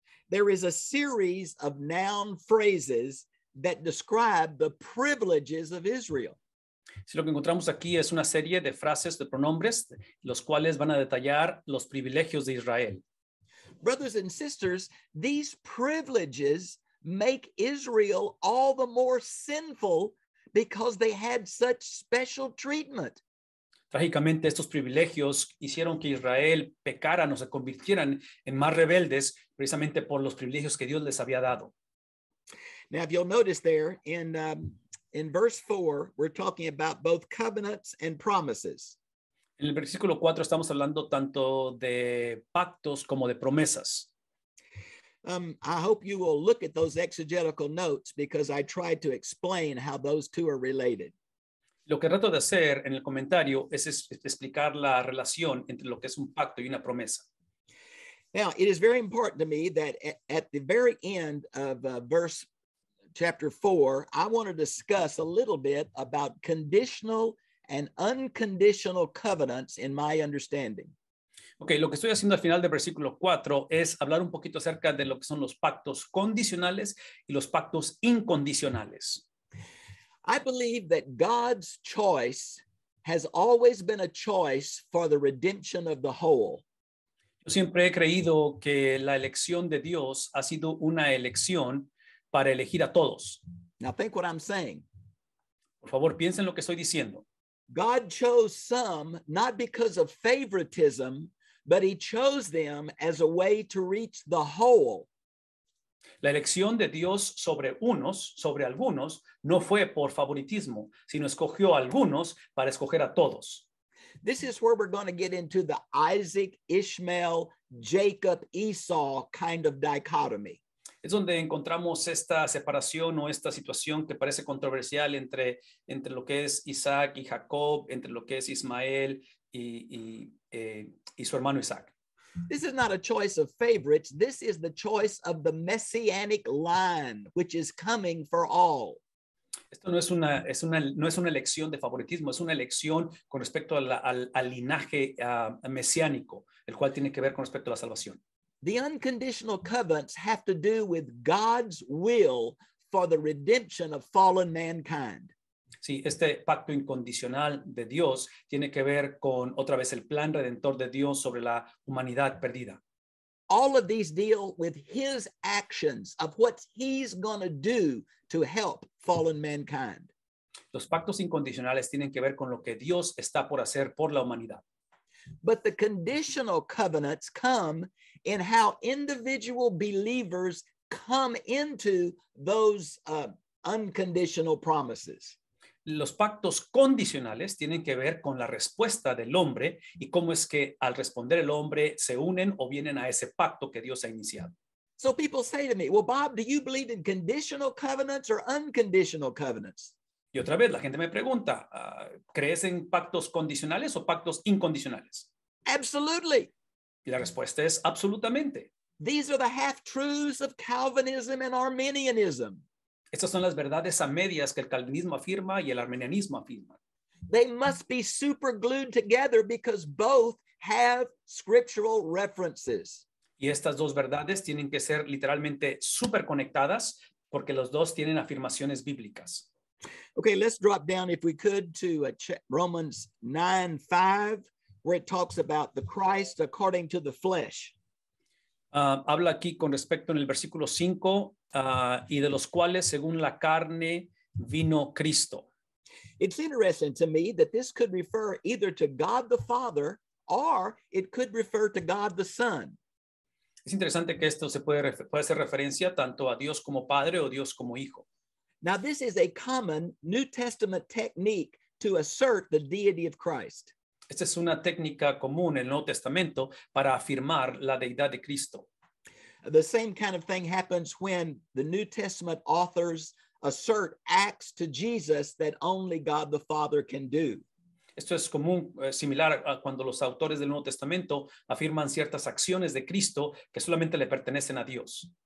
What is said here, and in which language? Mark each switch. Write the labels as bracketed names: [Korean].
[English] There is a series of noun phrases that describe the privileges of Israel. [Spanish] Si lo que encontramos aquí es una serie de frases, de pronombres, los cuales van a detallar los privilegios de Israel. [English] Brothers and sisters, these privileges make Israel all the more sinful because they had such special treatment. [Spanish] Trágicamente, estos privilegios hicieron que Israel pecaran o se convirtieran en más rebeldes precisamente por los privilegios que Dios les había dado. [English] Now, if you'll notice there, in verse 4, we're talking about both covenants and promises. [Spanish] En el versículo 4 estamos hablando tanto de pactos como de promesas. [English] I hope you will look at those exegetical notes because I tried to explain how those two are related. [Spanish] Lo que trato de hacer en el comentario es explicar la relación entre lo que es un pacto y una promesa. [English] Now, it is very important to me that at the very end of verse chapter 4, I want to discuss a little bit about conditional and unconditional covenants in my understanding. [Spanish] Okay, lo que estoy haciendo al final del versículo 4 es hablar un poquito acerca de lo que son los pactos condicionales y los pactos incondicionales. [English] I believe that God's choice has always been a choice for the redemption of the whole. [Spanish] Yo siempre he creído que la elección de Dios ha sido una elección para elegir a todos. [English] Now think what I'm saying. [Spanish] Por favor, piensen lo que estoy diciendo. [English] God chose some not because of favoritism, but he chose them as a way to reach the whole. [Spanish] La elección de Dios sobre unos, sobre algunos, no fue por favoritismo, sino escogió a algunos para escoger a todos. [English] This is where we're going to get into the Isaac, Ishmael, Jacob, Esau kind of dichotomy. [Spanish] Es donde encontramos esta separación o esta situación que parece controversial entre lo que es Isaac y Jacob, entre lo que es Ismael y su hermano Isaac. [English] This is not a choice of favorites. This is the choice of the messianic line, which is coming for all. [Spanish] Esto no es una elección de favoritismo. Es una elección con respecto al linaje mesiánico, el cual tiene que ver con respecto a la salvación. [English] The unconditional covenants have to do with God's will for the redemption of fallen mankind. [Spanish] Sí, este pacto incondicional de Dios tiene que ver con otra vez el plan redentor de Dios sobre la humanidad perdida. [English] All of these deal with his actions of what he's going to do to help fallen mankind. [Spanish] Los pactos incondicionales tienen que ver con lo que Dios está por hacer por la humanidad. [English] But the conditional covenants come in how individual believers come into those unconditional promises. [Spanish] Los pactos condicionales tienen que ver con la respuesta del hombre y cómo es que al responder el hombre se unen o vienen a ese pacto que Dios ha iniciado. [English] So people say to me, well, Bob, do you believe in conditional covenants or unconditional covenants? [Spanish] Y otra vez la gente me pregunta, ¿crees en pactos condicionales o pactos incondicionales? [English] Absolutely. [Spanish] Y la respuesta es absolutamente. [English] These are the half-truths of Calvinism and Arminianism. [Spanish] Estas son las verdades a medias que el calvinismo afirma y el arminianismo afirma. [English] They must be super glued together because both have scriptural references. [Spanish] Y estas dos verdades tienen que ser literalmente super conectadas porque los dos tienen afirmaciones bíblicas. [English] Okay, let's drop down if we could to Romans 9:5, where it talks about the Christ according to the flesh. [Spanish] Habla aquí con respecto en el versículo 5, y de los cuales según la carne vino Cristo. [English] It's interesting to me that this could refer either to God the Father or it could refer to God the Son. [Spanish] Es interesante que esto se puede hacer referencia tanto a Dios como Padre o Dios como Hijo. [English] Now this is a common New Testament technique to assert the deity of Christ. [Spanish] Esta es una técnica común en el Nuevo Testamento para afirmar la deidad de Cristo. [English] The same kind of thing happens when the New Testament authors assert acts to Jesus that only God the Father can do. [Spanish] Esto es común, similar a cuando los autores del Nuevo Testamento afirman ciertas acciones de Cristo que solamente le pertenecen a Dios.